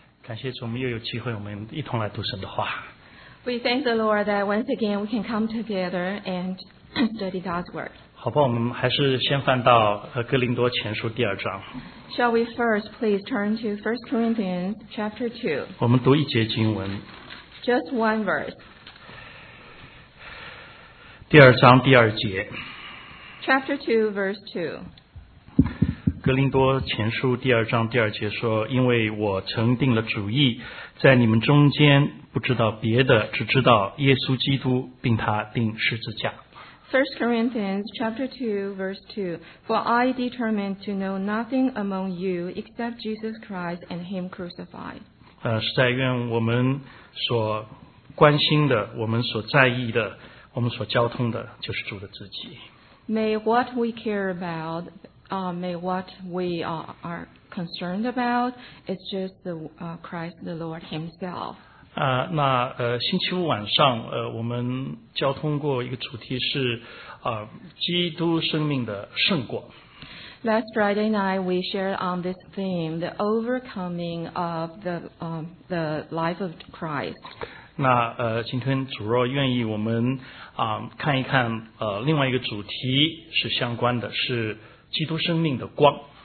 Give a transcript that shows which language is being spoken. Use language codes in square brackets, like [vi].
[zh] 感谢主，我们又有机会，我们一同来读神的话。 [en] We thank the Lord that once again we can come together and study God's word. [zh] 好吧，我们还是先翻到哥林多前书第二章。 [en] Shall we first please turn to 1 Corinthians chapter 2? [zh] 我们读一节经文。 [en] Just one verse. [zh] 第二章第二节。 [en] Chapter 2, verse 2. [zh] 哥林多前书第二章第二节说，因为我曾定了主意，在你们中间不知道别的，只知道耶稣基督，并他钉十字架。 [en] 1 Corinthians chapter 2 verse 2 For I determined to know nothing among you except Jesus Christ and him crucified. [zh] 实在愿我们所关心的，我们所在意的，我们所交通的，就是主的自己。 [en] May what we care aboutmay what we are concerned about is just the Christ the Lord Himself. [zh] 那星期五晚上我们交通过一个主题是基督生命的胜过。 [en] Last Friday night we shared on this theme, the overcoming of the life of Christ. [zh] 那今天主若愿意，我们看一看另外一个主题是相关的，是基督生命的光。